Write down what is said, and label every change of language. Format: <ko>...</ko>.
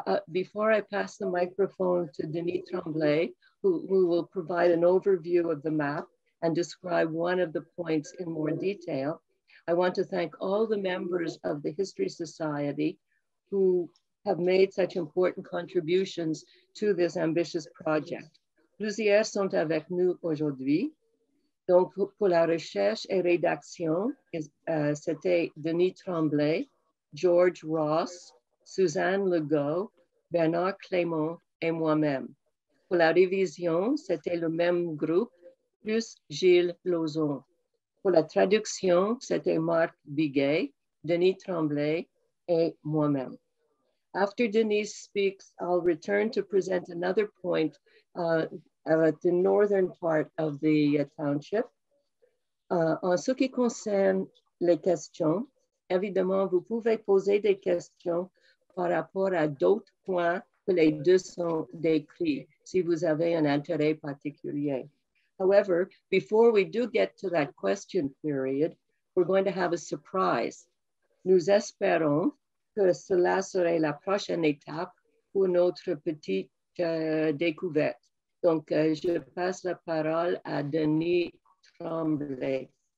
<en>Before I pass the microphone to Denis Tremblay, who will provide an overview of the map and describe one of the points in more detail, I want to thank all the members of the History Society who have made such important contributions to this ambitious project.</en> <fr>Plusieurs sont avec nous aujourd'hui. Donc, pour la recherche et rédaction, c'était Denis Tremblay, George Ross, Suzanne Legault, Bernard Clément et moi-même. Pour la révision, c'était le même groupe, plus Gilles Lauzon. Pour la traduction, c'était Marc Biguet, Denis Tremblay et moi-même.</fr> <en>After Denis speaks, I'll return to present another point at the northern part of the township.</en> <fr>En ce qui concerne les questions, évidemment, vous pouvez poser des questions par rapport à d'autres points que les deux sont décrits, si vous avez un intérêt particulier.</fr> <en>However, before we do get to that question period, we're going to have a surprise.</en> <fr>Nous espérons que cela serait la prochaine étape pour notre petite découverte. Donc, je passe la parole à Denis Tremblay.</fr>